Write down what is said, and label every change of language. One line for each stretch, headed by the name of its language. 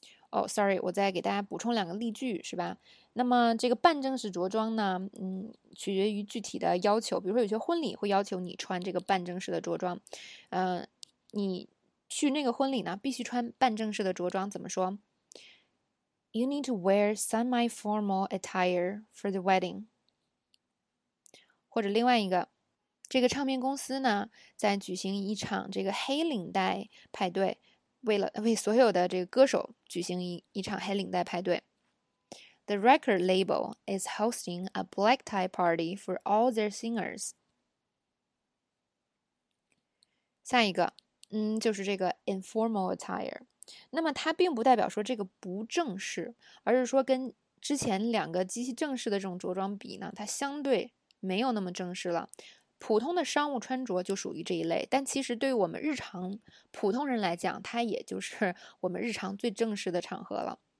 Chinese: 哦，sorry，我再给大家补充两个例句，是吧？那么这个半正式着装呢，取决于具体的要求。比如说有些婚礼会要求你穿这个半正式的着装，你去那个婚礼呢，必须穿半正式的着装。怎么说？
English: You need to wear semi-formal attire for the wedding。
Chinese: 或者另外一个，这个唱片公司呢，在举行一场这个黑领带派对。为所有的这个歌手举行一场黑领带派对，
English: The record label is hosting a black tie party for all their singers。
Chinese: 下一个，就是这个 informal attire。那么它并不代表说这个不正式，而是说跟之前两个极其正式的这种着装比呢，它相对没有那么正式了。普通的商务穿着就属于这一类，但其实对于我们日常普通人来讲，它也就是我们日常最正式的场合了。